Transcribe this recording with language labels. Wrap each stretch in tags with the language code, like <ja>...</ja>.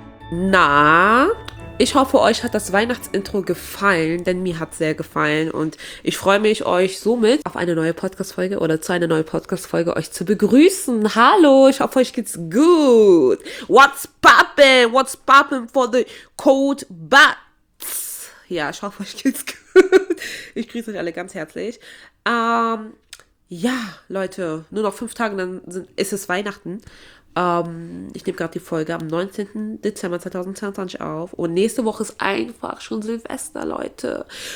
<de>Na, ich hoffe, euch hat das Weihnachtsintro gefallen, denn mir hat es sehr gefallen und ich freue mich, euch somit auf eine neue Podcast-Folge oder zu einer neuen Podcast-Folge euch zu begrüßen. Hallo, ich hoffe, euch geht's gut.</de> <en>What's poppin' for the cold butts?</en> <de>Ja, ich hoffe, euch geht's gut. Ich grüße euch alle ganz herzlich. Ja, Leute, nur noch 5 Tage, dann ist es Weihnachten. Ich nehme gerade die Folge am 19. Dezember 2022 auf und nächste Woche ist einfach schon Silvester, Leute.</de>